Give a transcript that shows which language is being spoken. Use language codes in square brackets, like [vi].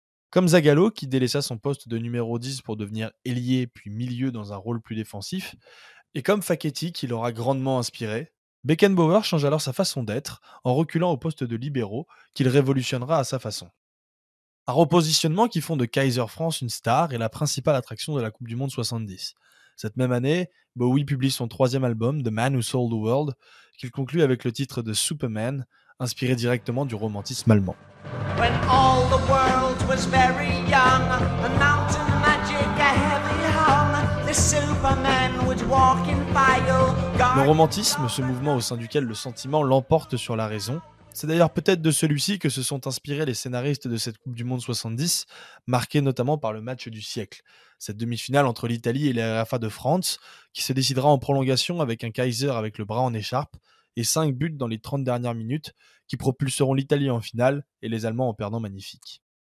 [fr] Comme Zagallo, qui délaissa son poste de numéro 10 pour devenir ailier puis milieu dans un rôle plus défensif, et comme Facchetti, qui l'aura grandement inspiré, Beckenbauer change alors sa façon d'être en reculant au poste de libéro qu'il révolutionnera à sa façon. Un repositionnement qui font de Kaiser France une star et la principale attraction de la Coupe du Monde 70. Cette même année, Bowie publie son troisième album, The Man Who Sold the World, qu'il conclut avec le titre de Superman, inspiré directement du romantisme allemand. [en] When all the world was very young, a mountain magic a heavy hung, the Superman would walk in file. [fr] Le romantisme, ce mouvement au sein duquel le sentiment l'emporte sur la raison, c'est d'ailleurs peut-être de celui-ci que se sont inspirés les scénaristes de cette Coupe du Monde 70, marquée notamment par le match du siècle, cette demi-finale entre l'Italie et la RFA de France, qui se décidera en prolongation avec un Kaiser avec le bras en écharpe, et 5 buts dans les 30 dernières minutes qui propulseront l'Italie en finale et les Allemands en perdant magnifique.